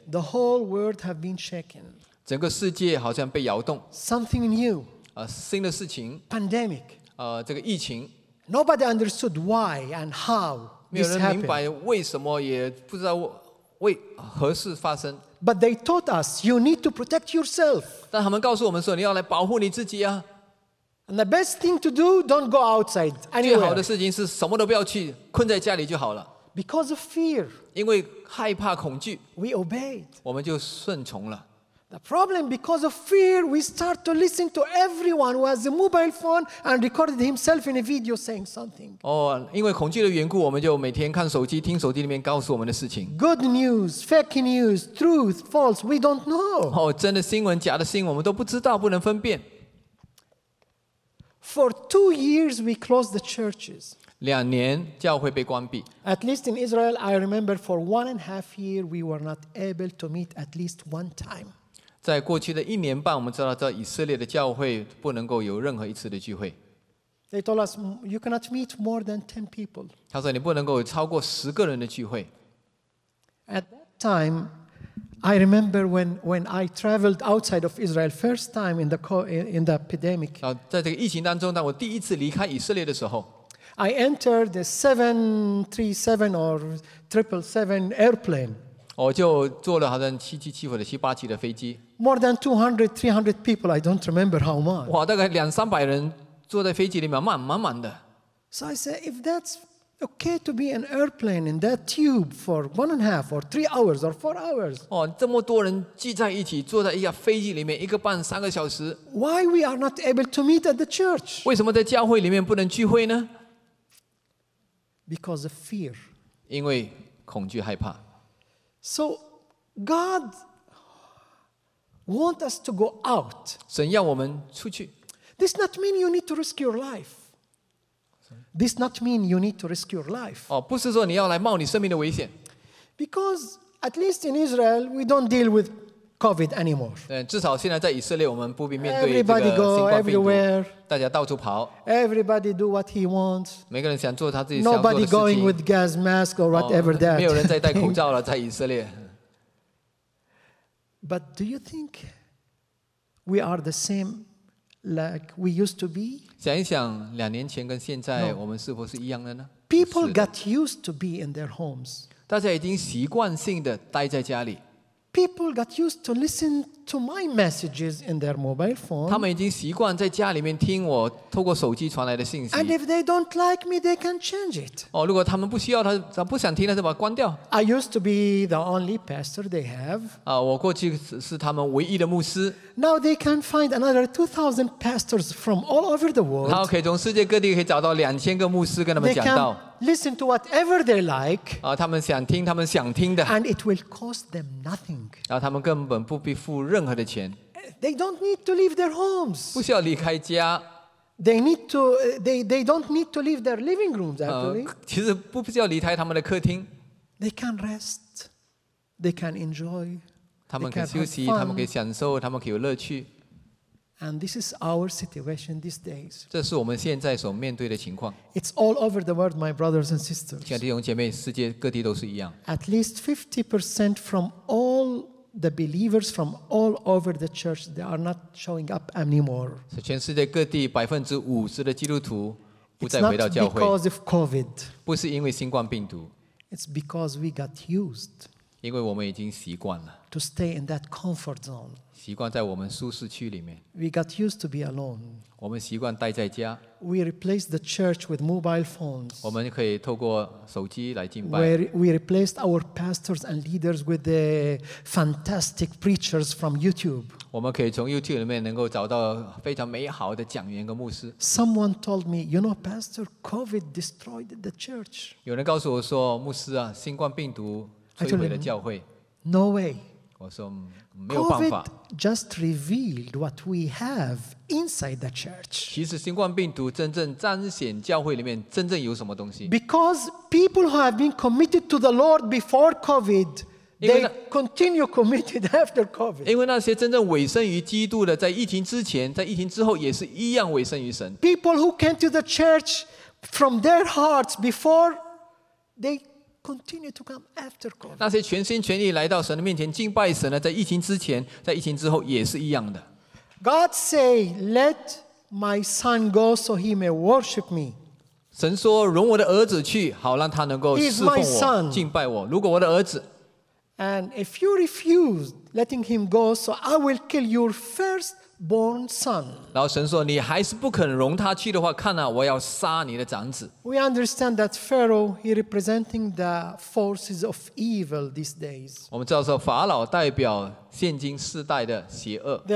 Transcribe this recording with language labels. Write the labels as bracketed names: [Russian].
[English] the whole world have been shaken. [Chinese] 整个世界好像被摇动 [English] Something new. [Chinese] 新的事情 [English] Pandemic. [Chinese] 这个疫情 [English] Nobody understood why and how this happened. [Chinese] 没有人明白为什么，也不知道为何事发生 [English] But they taught us you need to protect yourself. [Chinese] 但他们告诉我们说，你要来保护你自己啊。 [English] And the best thing to do, don't go outside anywhere. [Chinese] 最好的事情是什么都不要去，困在家里就好了。 [English] Because of fear, [Chinese] 因为害怕恐惧 [English] we obeyed. [Chinese] 我们就顺从了。 [English] The problem, because of fear, we start to listen to everyone who has a mobile phone and recorded himself in a video saying something. [Chinese] 因为恐惧的缘故，我们就每天看手机，听手机里面告诉我们的事情。 [English] Good news, fake news, truth, false, we don't know. [Chinese] 真的新闻，假的新闻，我们都不知道，不能分辨。 [English] For 2 years, we closed the churches. [Chinese] 两年教会被关闭。 [English] At least in Israel, I remember for 1.5 years we were not able to meet at least one time. [Chinese] 在过去的一年半，我们知道在以色列的教会不能够有任何一次的聚会。 [English] They told us you cannot meet more than 10 people. [Chinese] 他说你不能够有超过十个人的聚会。 [English] At that time, I remember when I traveled outside of Israel first time in the pandemic. [Chinese] 在这个疫情当中，当我第一次离开以色列的时候。 [English] I entered the 737 or 777 airplane. [Chinese] 我就坐了好像777或者787的飞机。 [English] More than 200, 300 people, I don't remember how much. [Chinese] 哇，大概两三百人坐在飞机里面，满满的。 [English] So I said, if that's okay to be an airplane in that tube for 1.5 or 3 hours or 4 hours. [Chinese] 这么多人聚在一起，坐在一架飞机里面一个半三个小时。 [English] Why we are not able to meet at the church? [Chinese] 为什么在教会里面不能聚会呢？ [English] Because of fear. [Chinese] 因为恐惧害怕。 [English] So God wants us to go out. [Chinese] 神要我们出去。 [English] This not mean you need to risk your life. This not mean you need to risk your life. [Chinese] 不是说你要来冒你生命的危险。 [English] Because at least in Israel, we don't deal with COVID anymore. [Chinese] 至少现在在以色列，我们不必面对这个新冠病毒。 [English] Everybody go everywhere. [Chinese] 大家到处跑 [English] Everybody do what he wants. [Chinese] 每个人想做他自己想做的事 [English] 情 Nobody going with gas mask or whatever that. [Chinese] 没有人再戴口罩了，在以色列。 [English] But do you think we are the same like we used to be? [Chinese] 想一想，两年前跟现在，我们是否是一样的呢 [English] ？People got used to be in their homes. [Chinese] 大家已经习惯性的待在家里。 [English] People got used to listen to my messages in their mobile phone. [Chinese] 他们已经习惯在家里面听我透过手机传来的信息。 [English] And if they don't like me, they can change it. [Chinese] 如果他们不需要，他不想听，他就把它关掉。 [English] I used to be the only pastor they have. [Chinese] 我过去是他们唯一的牧师。 [English] Now they can find another 2,000 pastors from all over the world. [Chinese] 然后可以从世界各地可以找到2,000个牧师跟他们讲道。 [English] Listen to whatever they like. [Chinese] 他们想听他们想听的。 [English] And it will cost them nothing. [Chinese] 然后他们根本不必付任何的钱。 [English] They don't need to leave their homes. [Chinese] 不需要离开家。 [English] They need to. They don't need to leave their living rooms. Actually, [Chinese] 其实不需要离开他们的客厅。 [English] They can rest. They can enjoy. [Chinese] 他们可以休息，他们可以享受，他们可以有乐趣。 [English] And this is our situation these days. [Chinese] 这是我们现在所面对的情况。 [English] It's all over the world, my brothers and sisters. [Chinese] 亲爱的弟兄姐妹，世界各地都是一样。 [English] At least 50% from all the believers from all over the church, they are not showing up anymore. [Chinese] 是全世界各地50%的基督徒不再回到教会。 [English] It's not because of COVID. [Chinese] 不是因为新冠病毒。 [English] It's because we got used. [Chinese] 因为我们已经习惯了。 [English] To stay in that comfort zone. [Chinese] 习惯在我们舒适区里面。 [English] We got used to be alone. [Chinese] 我们习惯待在家。 [English] We replaced the church with mobile phones. [Chinese] 我们可以透过手机来敬拜。 [English] We replaced our pastors and leaders with the fantastic preachers from YouTube. [Chinese] 我们可以从 YouTube 里面能够找到非常美好的讲员和牧师。 [English] Someone told me, you know, Pastor, COVID destroyed the church. [Chinese] 有人告诉我说，牧师啊，新冠病毒摧毁了教会。 [English] No way. [Chinese] 我说没有办法。 [English] COVID just revealed what we have inside the church. [Chinese] 其实新冠病毒真正彰显教会里面真正有什么东西。 [English] Because people who have been committed to the Lord before COVID, they continue committed after COVID. [Chinese] 因为那些真正委身于基督的，在疫情之前，在疫情之后也是一样委身于神。 [English] People who came to the church from their hearts before, they. Continue to come after COVID. [Chinese] 那些全心全意来到神的面前敬拜神的，在疫情之前，在疫情之后也是一样的。 [English] God say, "Let my son go, so he may worship me." [Chinese] 神说，容我的儿子去，好让他能够侍奉我、敬拜我。如果我的儿子 [English] ，And if you refuse letting him go, so I will kill your firstborn son. [Chinese] 然后神说，你还是不肯容他去的话，看啊，我要杀你的长子。 [English] We understand that Pharaoh he representing the forces of evil these days. [Chinese] 我们知道说，法老代表现今世代的邪恶势力。